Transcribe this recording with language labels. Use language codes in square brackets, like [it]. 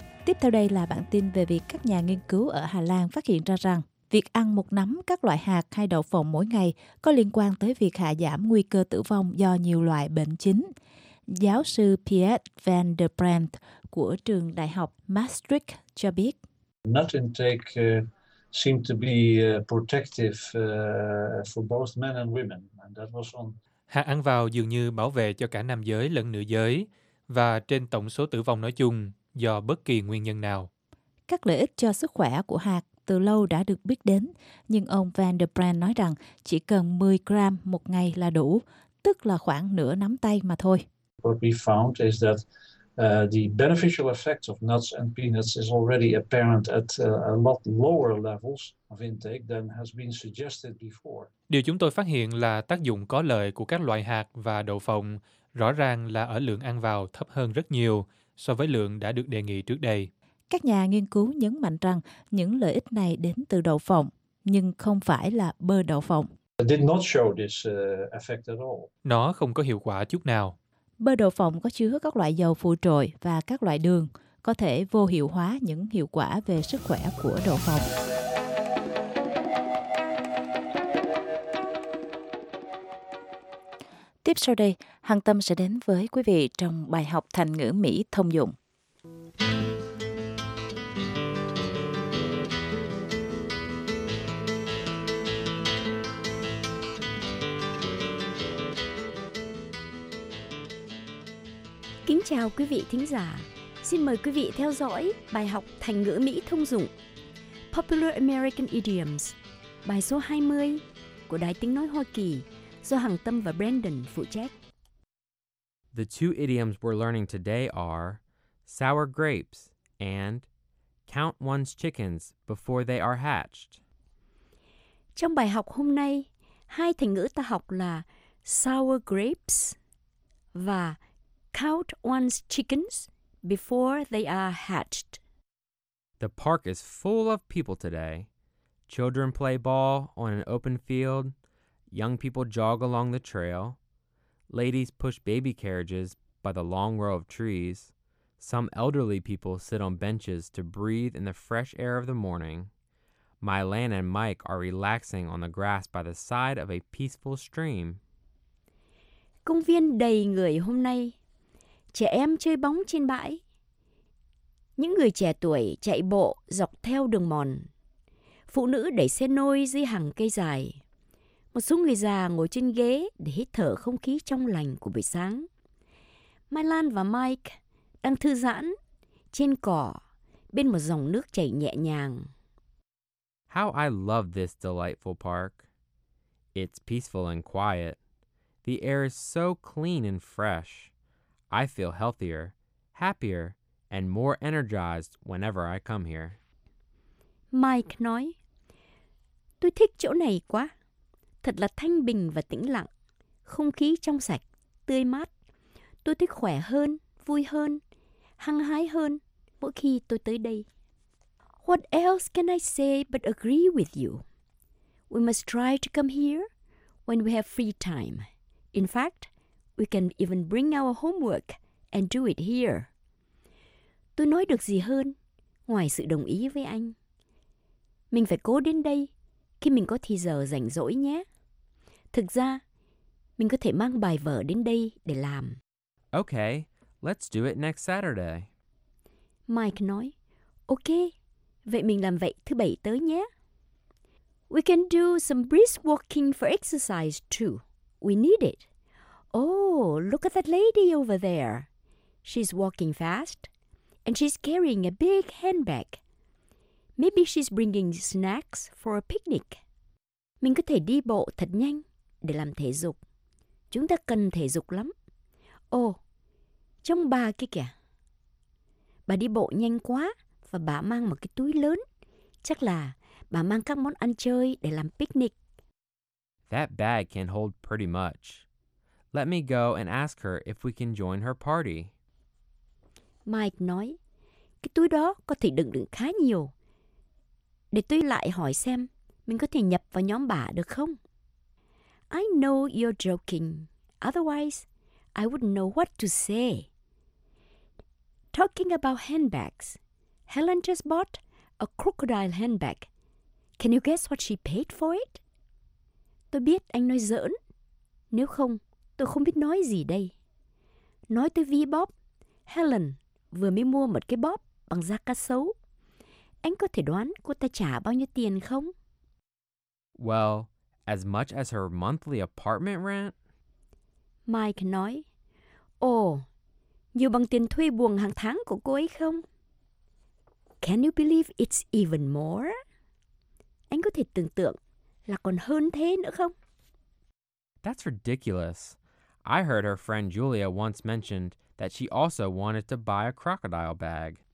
[vi] Tiếp theo đây là bản tin về việc các nhà nghiên cứu ở Hà Lan phát hiện ra rằng việc ăn một nắm các loại hạt hay đậu phộng mỗi ngày có liên quan tới việc hạ giảm nguy cơ tử vong do nhiều loại bệnh chính. Giáo sư Piet van der Brandt của trường Đại học Maastricht cho biết. [en] Nut intake seemed to be protective for both men and women, and that was on. [vi] Hạt ăn vào dường như bảo vệ cho cả nam giới lẫn nữ giới và trên tổng số tử vong nói chung do bất kỳ nguyên nhân nào. Các lợi ích cho sức khỏe của hạt từ lâu đã được biết đến, nhưng ông Van der Brandt nói rằng chỉ cần 10 gram một ngày là đủ, tức là khoảng nửa nắm tay mà thôi. [en] What we found is that the beneficial effects of nuts and peanuts is already apparent at a lot lower levels of intake than has been suggested before. [vi] Điều chúng tôi phát hiện là tác dụng có lợi của các loại hạt và đậu phộng rõ ràng là ở lượng ăn vào thấp hơn rất nhiều so với lượng đã được đề nghị trước đây. Các nhà nghiên cứu nhấn mạnh rằng những lợi ích này đến từ đậu phộng, nhưng không phải là bơ đậu phộng. [en] Did not show this effect at all. [vi] Nó không có hiệu quả chút nào. Bơ đậu phộng có chứa các loại dầu phụ trội và các loại đường, có thể vô hiệu hóa những hiệu quả về sức khỏe của đậu phộng. Tiếp sau đây, Hằng Tâm sẽ đến với quý vị trong bài học thành ngữ Mỹ thông dụng. Kính chào quý vị thính giả. Xin mời quý vị theo dõi bài học thành ngữ Mỹ thông dụng [en] Popular American Idioms, [vi] bài số 20 của Đài Tiếng Nói Hoa Kỳ do Hằng Tâm và Brandon phụ trách. [en] The two idioms we're learning today are sour grapes and count one's chickens before they are hatched. [vi] Trong bài học hôm nay, hai thành ngữ ta học là [en] sour grapes [vi] và [en] count one's chickens before they are hatched. The park is full of people today. Children play ball on an open field. Young people jog along the trail. Ladies push baby carriages by the long row of trees. Some elderly people sit on benches to breathe in the fresh air of the morning. Mylan and Mike are relaxing on the grass by the side of a peaceful stream. [vi] Công viên đầy người hôm nay. Trẻ em chơi bóng trên bãi. Những người trẻ tuổi chạy bộ dọc theo đường mòn. Phụ nữ đẩy xe nôi dưới hàng cây dài. Một số người già ngồi trên ghế để hít thở không khí trong lành của buổi sáng. Mylan và Mike đang thư giãn trên cỏ bên một dòng nước chảy nhẹ nhàng. [en] How I love this delightful park. It's peaceful and quiet. The air is so clean and fresh. I feel healthier, happier, and more energized whenever I come here. [vi] Mike nói, tôi thích chỗ này quá. Thật là thanh bình và tĩnh lặng. Không khí trong sạch, tươi mát. Tôi thích khỏe hơn, vui hơn, hăng hái hơn mỗi khi tôi tới đây. [en] What else can I say but agree with you? We must try to come here when we have free time. In fact, we can even bring our homework and do it here. [vi] Tôi nói được gì hơn ngoài sự đồng ý với anh? Mình phải cố đến đây khi mình có thì giờ rảnh rỗi nhé. Thực ra, mình có thể mang bài vở đến đây để làm. [en] Okay, let's do it next Saturday. [vi] Mike nói, okay, vậy mình làm vậy thứ bảy tới nhé. [en] We can do some brisk walking for exercise too. We need it. Oh, look at that lady over there. She's walking fast, and she's carrying a big handbag. Maybe she's bringing snacks for a picnic. [vi] Mình có thể đi bộ thật nhanh để làm thể dục. Chúng ta cần thể dục lắm. Oh, trông bà kia kìa. Bà đi bộ nhanh quá và bà mang một cái túi lớn. Chắc là bà mang các món ăn chơi để làm picnic. [en] That bag can hold pretty much. Let me go and ask her if we can join her party. [vi] Mike nói, cái túi đó có thể đựng được khá nhiều. Để tôi lại hỏi xem mình có thể nhập vào nhóm bà được không? [en] I know you're joking. Otherwise, I wouldn't know what to say. Talking about handbags, Helen just bought a crocodile handbag. Can you guess what she paid for it? [vi] Tôi biết anh nói giỡn. Nếu không, tôi không biết nói gì đây. Nói tới ví bóp, Helen vừa mới mua một cái bóp bằng da cá sấu. Anh có thể đoán cô ta trả bao nhiêu tiền không? [en] Well, as much as her monthly apartment rent. [vi] Mike nói, nhiều bằng tiền thuê buồng hàng tháng của cô ấy không? [en] Can you believe it's even more? [vi] Anh có thể tưởng tượng là còn hơn thế nữa không? [en] That's ridiculous. I heard her friend Julia once mentioned that she also wanted to buy a crocodile bag.